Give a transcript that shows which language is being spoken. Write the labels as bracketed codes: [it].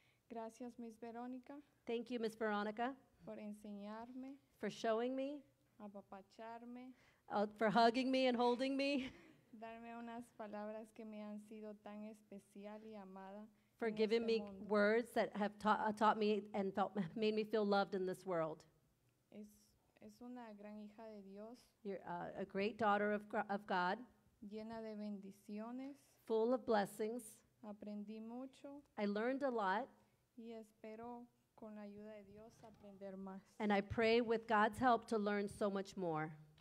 [es] Gracias, Miss Veronica. [en] Thank you, Miss Veronica. [es] Por enseñarme. [en] For showing me. [es] Apapacharme. [en] For hugging me and holding me. [es] Darme unas palabras que me han sido tan especial y amada. [en] For giving me words that have taught me and made me feel loved in this world. [es] Es una gran hija de Dios. [en] You're a great daughter of God. [es] Llena de bendiciones. [en] Full of blessings. [es] Aprendí mucho. [en] I learned a lot. [es] Y espero con la ayuda de Dios aprender más. [en] And I pray with God's help to learn so much more.